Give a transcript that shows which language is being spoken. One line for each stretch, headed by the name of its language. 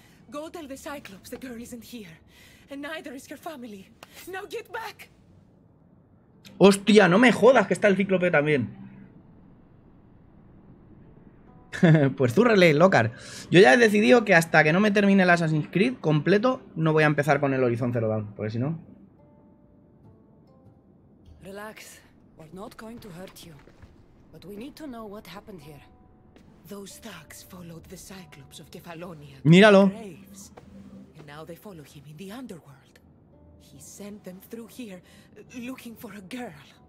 English: Go tell the Cyclops the girl isn't here, and neither is her family. Now get back.
Spanish: Hostia, no me jodas que está el Cíclope también. Pues zúrrele, Lockhart. Yo ya he decidido que hasta que no me termine el Assassin's Creed completo, no voy a empezar con el Horizon Zero Dawn, porque si no.
English: Relax. We're not going to hurt you. But we need to know what happened here. Those thugs followed the Cyclops of Cephalonia.
Spanish: Míralo.
English: And now they follow him in the underworld. He sent them through here looking for a girl.